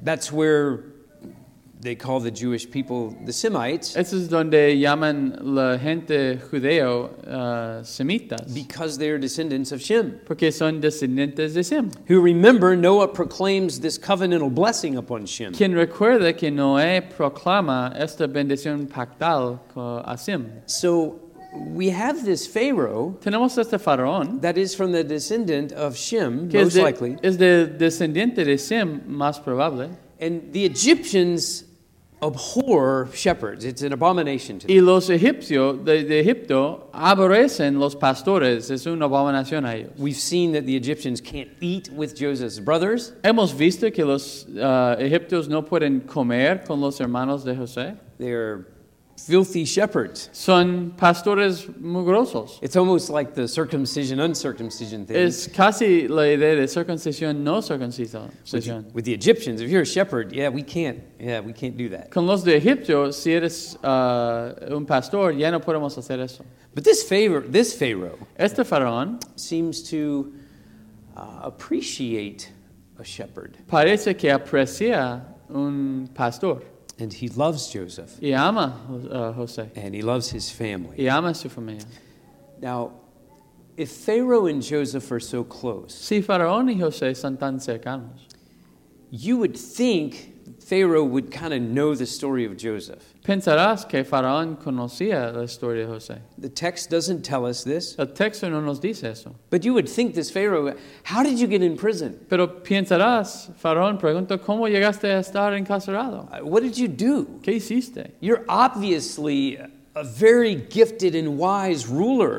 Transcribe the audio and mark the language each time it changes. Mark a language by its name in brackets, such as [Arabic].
[English] That's where they call the Jewish people the Semites. [Spanish] Eso es donde llaman la gente judeo semitas. [English] Because they are descendants of Shem. [Spanish] Porque son descendientes de Sem. [English] Who remember Noah proclaims this covenantal blessing upon Shem. [Spanish] Quien recuerda que Noé proclama esta bendición pactal a Sem. [English] So we have this Pharaoh. [Spanish] Tenemos este faraón [English] that is from the descendant of Shem, most likely. [Spanish] Es de descendiente de Sem, más probable. [English] And the Egyptians abhor shepherds. It's an abomination to them. [Spanish] Y los egipcios de Egipto aborrecen los pastores. Es una abominación a ellos. [English] We've seen that the Egyptians can't eat with Joseph's brothers. [Spanish] Hemos visto que los egipcios no pueden comer con los hermanos de José. [English] They're filthy shepherds. [Spanish] Son pastores mugrosos. [English] It's almost like the circumcision, uncircumcision thing. [Spanish] Es casi la idea de circuncisión, no circuncisión. [English] With the Egyptians, if you're a shepherd, yeah, we can't. Yeah, we can't do that. [Spanish] Con los de Egipto, si eres un pastor, ya no podemos hacer eso. [English] But this Pharaoh, [Spanish] este faraón, [English] seems to appreciate a shepherd. [Spanish] Parece que aprecia un pastor. [English] And he loves Joseph. [Spanish] Y ama José. [English] And he loves his family. [Spanish] Y ama su familia. [English] Now, if Pharaoh and Joseph are so close, [Spanish] si faraón y José son tan cercanos, [English] you would think Pharaoh would kind of know the story of Joseph. [Spanish] Pensarás que faraón conocía la historia de José. [English] The text doesn't tell us this. [Spanish] El texto no nos dice eso. [English] But you would think this Pharaoh, how did you get in prison? [Spanish] Pero pensarás, faraón pregunta, ¿cómo llegaste a estar encarcelado? [English] What did you do? [Spanish] ¿Qué hiciste? [English] You're obviously a very gifted and wise ruler.